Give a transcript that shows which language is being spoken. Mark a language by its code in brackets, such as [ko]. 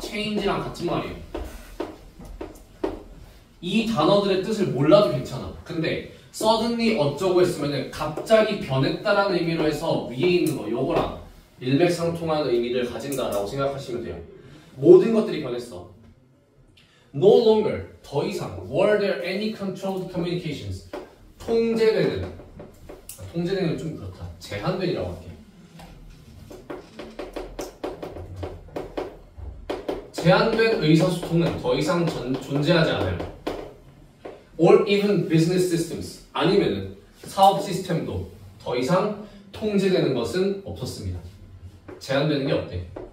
[ko] Change랑 같은 말이에요. 이 단어들의 뜻을 몰라도 괜찮아. 근데 Suddenly 어쩌고 했으면은 갑자기 변했다라는 의미로 해서 위에 있는 거, 요거랑 일맥상통하는 의미를 가진다라고 생각하시면 돼요. 모든 것들이 변했어. [en] No longer, [ko] 더 이상, [en] were there any controlled communications? [ko] 통제되는, 통제되는 좀 그렇다. 제한된이라고 할게. 제한된 의사소통은 더 이상 존재하지 않아요. [en] Or even business systems, [ko] 아니면 사업 시스템도 더 이상 통제되는 것은 없었습니다. 제한되는 게 없대.